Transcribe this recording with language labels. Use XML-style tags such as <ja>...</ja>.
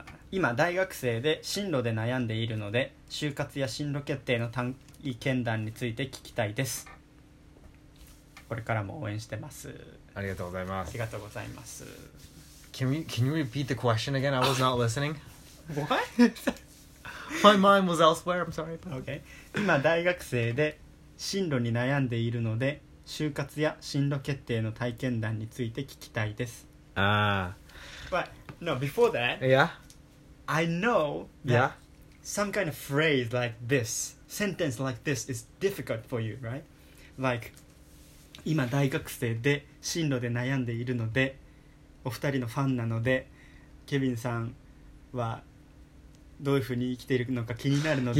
<ja>今大学生で進路で悩んでいるので就活や進路決定の体験談について聞きたいです。これからも応援してます。ありがとうございます。ありがとうございます。</ja> <en>Can you repeat the question again? I was not listening. What? My mind was elsewhere. I'm sorry. OK.</en> <ja>今大学生で進路に悩んでいるので就活や進路決定の体験談について聞きたいです。ああ。</ja> <en>But no, before that, yeah, I know that yeah. some kind of phrase like this, sentence like this is difficult for you, right?</en> <ja>Like, 今大学生で進路で悩んでいるのでお二人のファンなのでケビンさんはどういうふうに生きているのか気になるので</ja>